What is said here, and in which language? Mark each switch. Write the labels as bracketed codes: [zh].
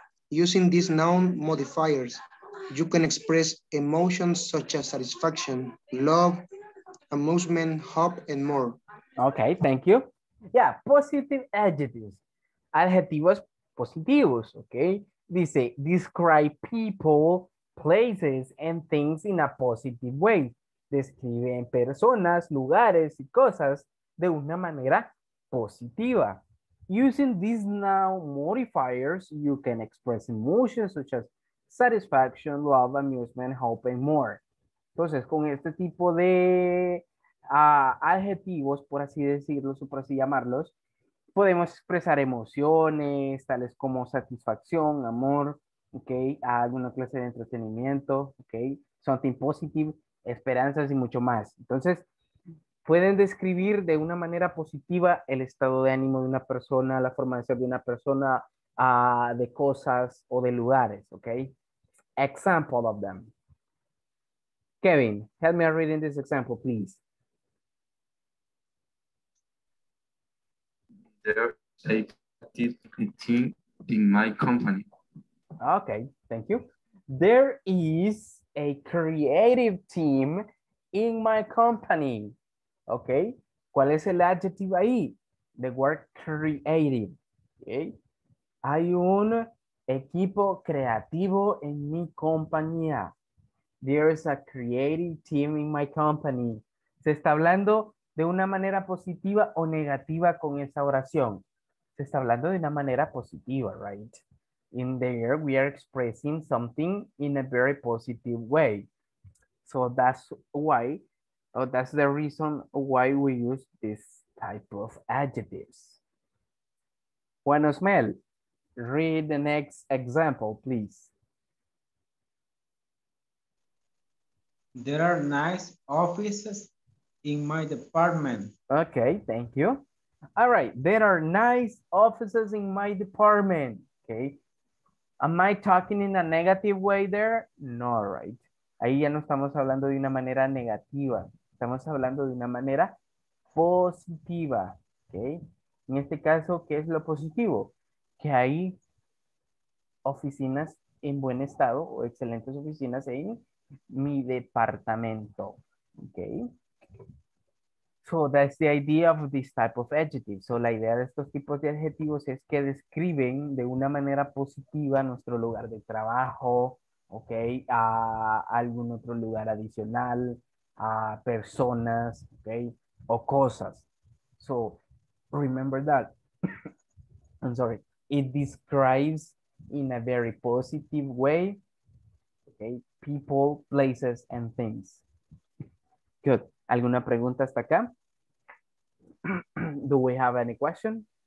[en] Using these noun modifiers, you can express emotions such as satisfaction, love, amusement, hope, and more. Okay, thank you. Yeah, positive adjectives. [es] Adjetivos positivos, [en] okay? Dice, describe people, places, and things in a positive way. [es] Describen personas, lugares, y cosas de una manera positiva. [en] Using these noun modifiers, you can express emotions such as satisfaction, love, amusement, hope, and more. [es] Entonces, con este tipo de adjetivos, por así decirlos o por así llamarlos, podemos expresar emociones tales como satisfacción, amor, okay, alguna clase de entretenimiento, okay, [en] something positive, [es] esperanzas y mucho más. Entonces, pueden describir de una manera positiva el estado de ánimo de una persona, la forma de ser de una persona, de cosas o de lugares, okay? [en] Example of them. Kevin, help me read in this example, please. There's a positive team in my company. Okay, thank you. There is a creative team in my company. [es] Okay, ¿cuál es el adjetivo ahí? [en] The word creative. [es] Okay. Hay un equipo creativo en mi compañía. [en] There is a creative team in my company. [es] Se está hablando de una manera positiva o negativa con esa oración. Se está hablando de una manera positiva, right? [en] In there, we are expressing something in a very positive way. So that's why, or that's the reason why we use this type of adjectives. Juan Osmel, read the next example, please. There are nice offices in my department. Okay, thank you. All right, there are nice offices in my department. Okay. Am I talking in a negative way there? No, right. [es] Ahí ya no estamos hablando de una manera negativa. Estamos hablando de una manera positiva. Okay. En este caso, ¿qué es lo positivo? Que hay oficinas en buen estado o excelentes oficinas en mi departamento. [en] Okay. So that's the idea of this type of adjective. [es] So la idea de estos tipos de adjetivos es que describen de una manera positiva nuestro lugar de trabajo, okay, a algún otro lugar adicional, a personas, okay, o cosas. [en] So remember that. I'm sorry. It describes in a very positive way, okay, people, places, and things. Good. [es] ¿Alguna pregunta hasta acá? [en] Do we have any question?